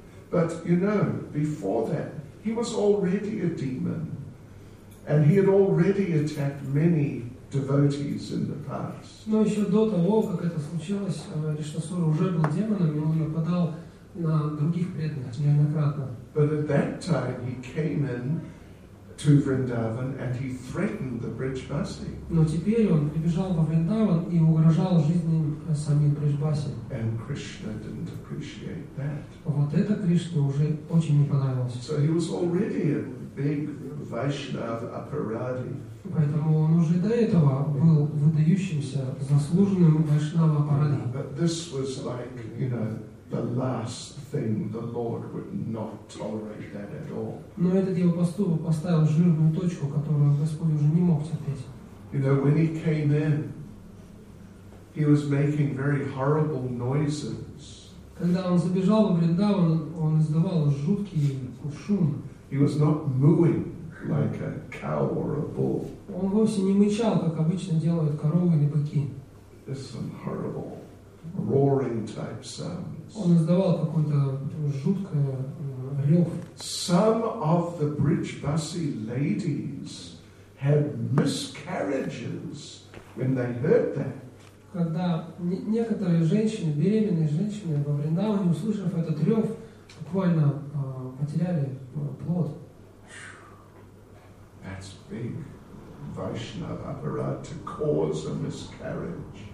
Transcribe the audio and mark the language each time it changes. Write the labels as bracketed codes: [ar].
[en] But you know, before that, he was already a demon. And he had already attacked many devotees in the past. [ru] Но еще до того, как это случилось, Ришнасура уже был демоном, и он нападал на других преданных неоднократно. [en] But at that time he came in to Vrindavan and he threatened the Brijbasi. [ru] Но теперь он прибежал во Вриндаван и угрожал жизни самим Брижбаси. [en] And Krishna didn't appreciate that. [ru] Вот это Кришне уже очень не понравилось. [en] So he was already a big Vaishnav aparadhi. [ru] Поэтому он уже до этого был выдающимся, заслуженным вайшнава парадхи. [en] But this was like, you know, the last thing the Lord would not tolerate that at all. [ru] Но этот его поступок поставил жирную точку, которую Господь уже не мог терпеть. [en] You know, when he came in, he was making very horrible noises. [ru] Когда он забежал в Вриндаван, он издавал жуткий шум. [en] He was not mooing like a cow or a bull. [ru] Он вовсе не мычал, как обычно делают коровы или быки. [en] There's some horrible roaring type sounds. [ru] Он издавал какой-то жуткий рев. [en] Some of the Brijbasi ladies had miscarriages when they heard that. [ru] Когда некоторые женщины, беременные женщины во Вриндаване, услышав этот рев, буквально потеряли плод. [en] That's big. Vaishnava aparad to cause a miscarriage.